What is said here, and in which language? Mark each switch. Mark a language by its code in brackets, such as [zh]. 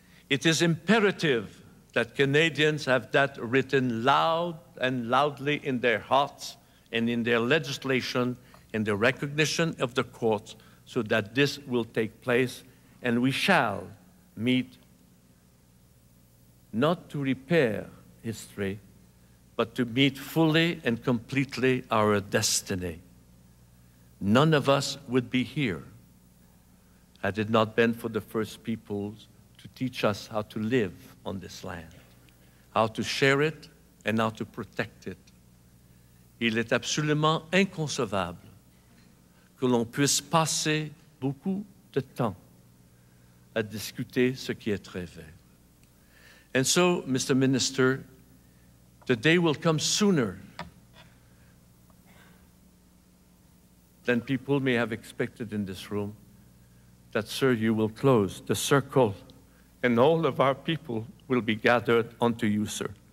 [en] It is imperative that Canadians have that written loud and loudly in their hearts and in their legislation and the recognition of the courts so that this will take place and we shall meet not to repair history, but to meet fully and completely our destiny. None of us would be here had it not been for the First Peoples to teach us how to live on this land, how to share it and how to protect it. [fr] Il est absolument inconcevable que l'on puisse passer beaucoup de temps à discuter ce qui est très vrai. [en] And so, Mr. Minister, the day will come sooner than people may have expected in this room that, sir, you will close the circle and all of our people will be gathered unto you, sir.